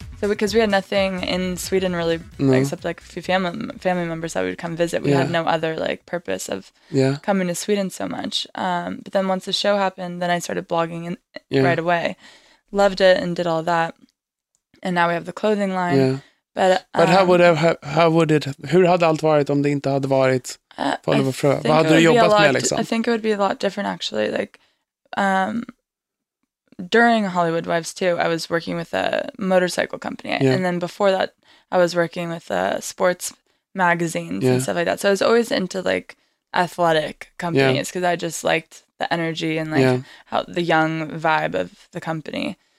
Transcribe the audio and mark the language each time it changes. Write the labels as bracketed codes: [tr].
[en] So because we had nothing in Sweden really, except like a few family members that we would come visit. We had no other like purpose of coming to Sweden so much. But then once the show happened, then I started blogging right away. Loved it and did all that. And now we have the clothing line. Yeah. But [sv] hur hade allt varit om det inte hade varit Follow the Frö? Vad hade du jobbat med liksom? [en] I think it would be a lot different actually. Like during Hollywood Wives 2, I was working with a motorcycle company. Yeah. And then before that, I was working with sports magazines and stuff like that. So I was always into like athletic companies because I just liked the energy and like how the young vibe of the company.